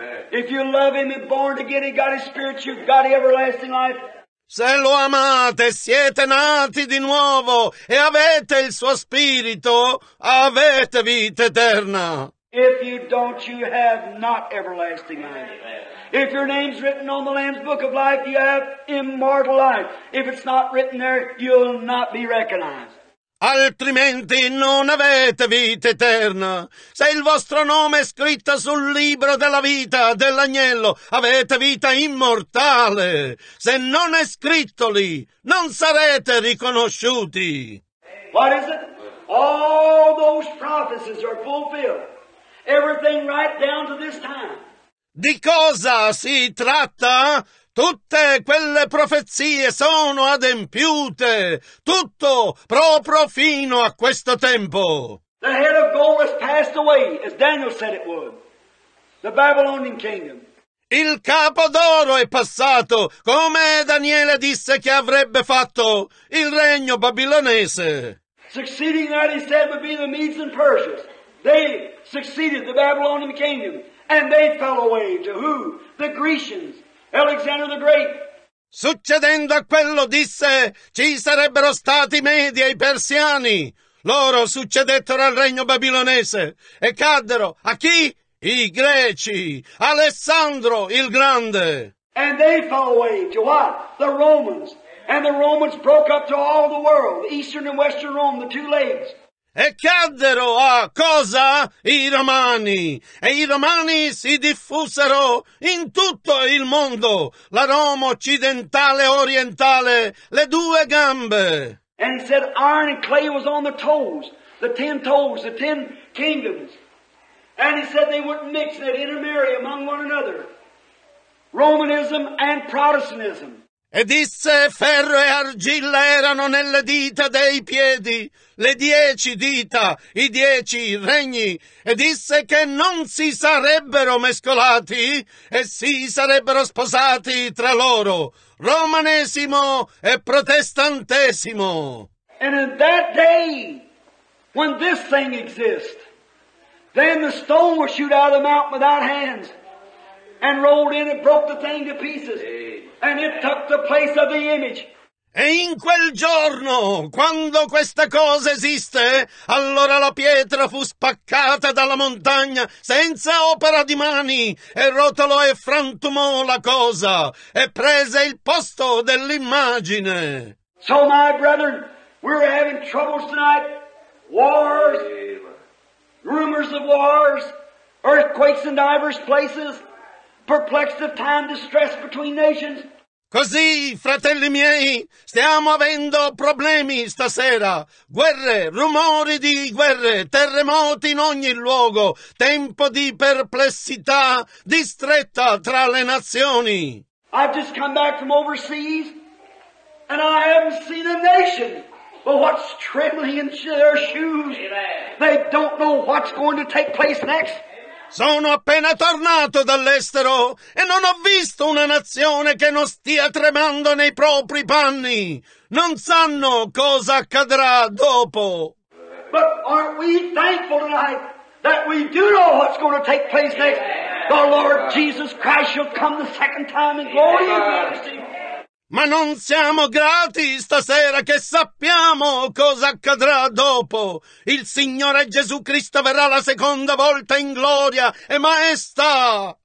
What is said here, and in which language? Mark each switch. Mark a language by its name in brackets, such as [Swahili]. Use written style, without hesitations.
[English] If you love him and born again, you've got his spirit, you've got everlasting life. [Italian] Se lo amate, siete nati di nuovo e avete il suo spirito, avete vita eterna. [English] If you don't, you have not everlasting life. If your name's written on the Lamb's Book of Life, you have immortal life. If it's not written there, you'll not be recognized. [Italian] Altrimenti non avete vita eterna. Se il vostro nome è scritto sul libro della vita dell'agnello, avete vita immortale. Se non è scritto lì, non sarete riconosciuti. [English] What is it? All those prophecies are fulfilled. Everything right down to this time. [Italian] Di cosa si tratta? Tutte quelle profezie sono adempiute, tutto proprio fino a questo tempo. [English] The head of gold has passed away, as Daniel said it would. The Babylonian kingdom. [Italian] Il capo d'oro è passato, come Daniele disse che avrebbe fatto il regno babilonese. [English] Succeeding that he said would be the Medes and Persians. They succeeded the Babylonian kingdom. And they fell away to who? The Grecians, Alexander the Great. [Italian] Succedendo a quello disse, ci sarebbero stati i Medi e i Persiani. Loro succedettero al regno babilonese e caddero a chi? I Greci, Alessandro il Grande. [English] And they fell away to what? The Romans. And the Romans broke up to all the world, Eastern and Western Rome, the two legs. [Italian] E caddero a cosa? I Romani. E i Romani si diffusero in tutto il mondo, la Roma occidentale e orientale, le due gambe. [English] And he said iron and clay was on their toes, the ten toes, the ten kingdoms. And he said they wouldn't mix, they'd intermarry among one another. Romanism and Protestantism. [Italian] E disse ferro e argilla erano nelle dita dei piedi, le dieci dita, i dieci regni, e disse che non si sarebbero mescolati e si sarebbero sposati tra loro, romanesimo e protestantesimo. [English] And in that day, when this thing exists, then the stone was shoot out of the mountain without hands and rolled in and broke the thing to pieces. And it took the place of the image. [Italian] E in quel giorno, quando questa cosa esiste, allora la pietra fu spaccata dalla montagna senza opera di mani, e rotolò e frantumò la cosa, e prese il posto dell'immagine. [English] So, my brethren, we're having troubles tonight. Wars, rumors of wars, earthquakes in diverse places, perplexive time, distress between nations. [Italian] Così, fratelli miei, stiamo avendo problemi stasera. Guerre, rumori di guerre, terremoti in ogni luogo, tempo di perplessità, distretta tra le nazioni. [English] I've just come back from overseas, and I haven't seen a nation but what's trembling in their shoes. Amen. They don't know what's going to take place next. [Italian] Sono appena tornato dall'estero e non ho visto una nazione che non stia tremando nei propri panni. Non sanno cosa accadrà dopo. [English] But aren't we thankful tonight that we do know what's going to take place next? The Lord Jesus Christ shall come the second time in glory and majesty. [Italian] Ma non siamo grati stasera che sappiamo cosa accadrà dopo. Il Signore Gesù Cristo verrà la seconda volta in gloria e maestà.